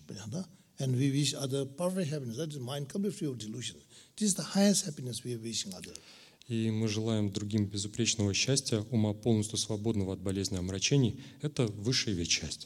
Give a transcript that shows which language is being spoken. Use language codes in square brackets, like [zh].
[ru] Понятно? [en] And we wish other perfect happiness. That is mind can be free of delusion. This is the highest happiness we are wishing other. [ru] И мы желаем другим безупречного счастья, ума полностью свободного от болезни и омрачений. Это высшая вещь счастья.